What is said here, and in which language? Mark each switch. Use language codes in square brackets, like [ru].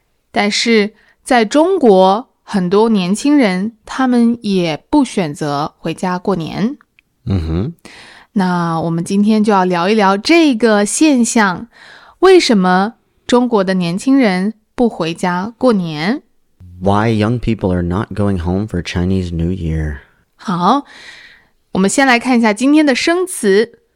[zh] 但是在中国，很多年轻人他们也不选择回家过年。嗯哼，那我们今天就要聊一聊这个现象，为什么中国的年轻人不回家过年。 [en] Why young people are not going home for Chinese New Year? [zh] 好，我们先来看一下今天的生词。